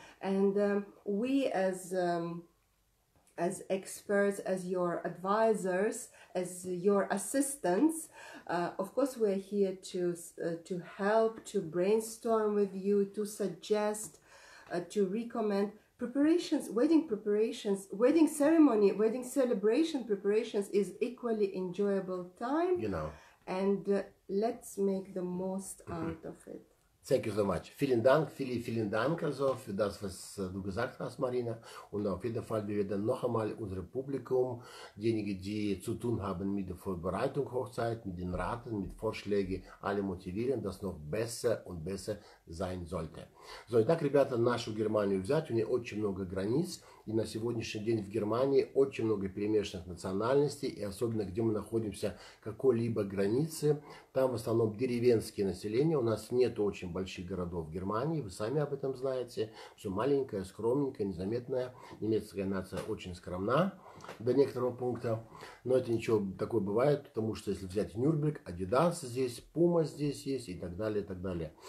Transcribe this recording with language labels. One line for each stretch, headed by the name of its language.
English: And we as experts, as your advisors, as your assistants, of course we're here to help, to brainstorm with you, to suggest, to recommend. Preparations, wedding preparations, wedding ceremony, wedding celebration preparations is equally enjoyable time, you know. And let's make the most out of it. Thank you so much.
German: Vielen Dank, vielen Dank also für das, was du gesagt hast, Marina. Und auf jeden Fall, wir werden noch einmal unser Publikum, diejenigen, die zu tun haben mit der Vorbereitung Hochzeit, mit den Raten, mit Vorschlägen, alle motivieren, dass noch besser und besser sein sollte.
Russian: So, итак, ребята, нашу Германию взять, у нее очень много границ. И на сегодняшний день в Германии очень много перемешанных национальностей, и особенно где мы находимся, какой-либо границы, там в основном деревенские населения, у нас нет очень больших городов в Германии, вы сами об этом знаете, все маленькое, скромненькое, незаметное, немецкая нация очень скромна до некоторого пункта, но это ничего такое бывает, потому что если взять Нюрнберг, Адидас здесь, Пума здесь есть и так далее, и так далее.